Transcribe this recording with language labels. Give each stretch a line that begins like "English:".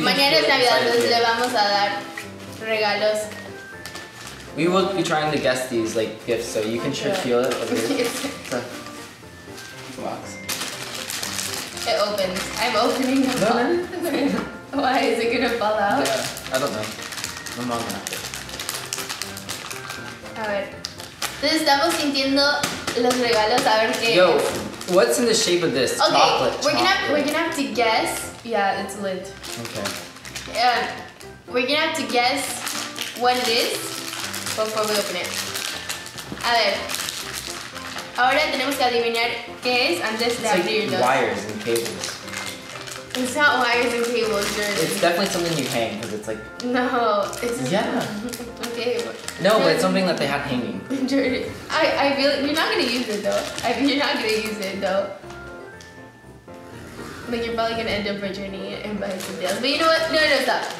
Spanish: mañana es Navidad, entonces le vamos a dar regalos.
English: We will be trying to guess these like gifts, so you can sure feel it. Over here. It's a box. It opens. I'm opening the box. Why is it gonna fall out? Yeah, I don't know. My mom gonna have it.
Spanish: A ver. Entonces estamos sintiendo los regalos a ver qué.
English: Yo, what's in the shape of this? Okay, chocolate. We're gonna have to guess. Yeah, it's lit. Okay. Yeah, we're gonna have to guess what it is before we open it.
Spanish: A ver. Ahora tenemos que adivinar qué es antes de abrirlo.
English: It's like wires and cables. It's not wires and cables, dude. It's definitely something you hang because it's like. No, it's. Yeah. Okay. No, but it's something that they have hanging. Dude, I feel like you're not gonna use it though. I mean, you're not gonna use it though. Like, you're probably gonna end up returning it and buy something else. But you know what? No, no, stop.